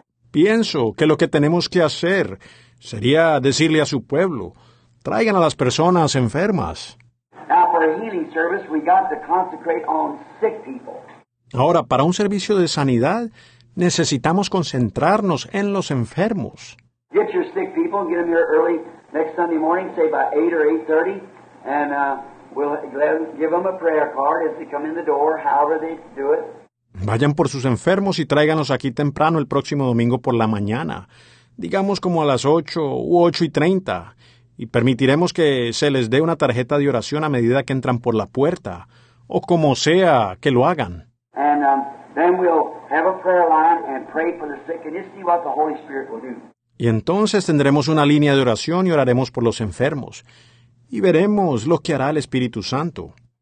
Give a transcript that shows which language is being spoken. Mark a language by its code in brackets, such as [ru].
[es] Pienso que lo que tenemos que hacer sería decirle a su pueblo, traigan a las personas enfermas. [en] Now, for a healing service, we got to consecrate on sick people. [es] Ahora, para un servicio de sanidad, necesitamos concentrarnos en los enfermos. [en] Get your sick people and get them here early next Sunday morning, say by 8 or 8:30, and we'll give them a prayer card as they come in the door, however they do it. [es] Vayan por sus enfermos y tráiganos aquí temprano el próximo domingo por la mañana, digamos como a las 8 u 8:30, y permitiremos que se les dé una tarjeta de oración a medida que entran por la puerta, o como sea que lo hagan. [en] And then we'll have a prayer line and pray for the sick and just see what the Holy Spirit will do. [es] Y entonces tendremos una línea de oración y oraremos por los enfermos. Y veremos lo que hará el Espíritu Santo.